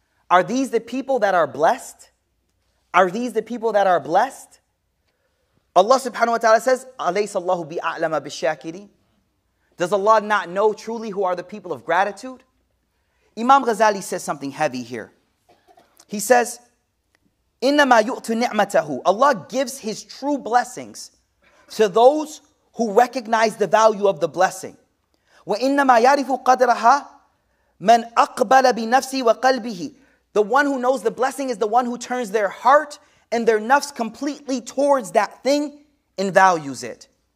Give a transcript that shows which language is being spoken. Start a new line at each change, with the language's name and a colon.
English: Are these the people that are blessed? Are these the people that are blessed? Allah subhanahu wa ta'ala says,
Arabic: أَلَيْسَ اللَّهُ بِأَعْلَمَ بِالشَّاكِرِينَ.
English: Does Allah not know truly who are the people of gratitude? Imam Ghazali says something heavy here. He says,
Arabic: إِنَّمَا يُؤْتُ نِعْمَتَهُ.
English: Allah gives his true blessings to those who recognize the value of the blessing.
Arabic: وَإِنَّمَا يَعْرِفُ قَدْرَهَا مَنْ أَقْبَلَ بِنَفْسِي وَقَلْبِهِ.
English: The one who knows the blessing is the one who turns their heart and their nafs completely towards that thing and values it.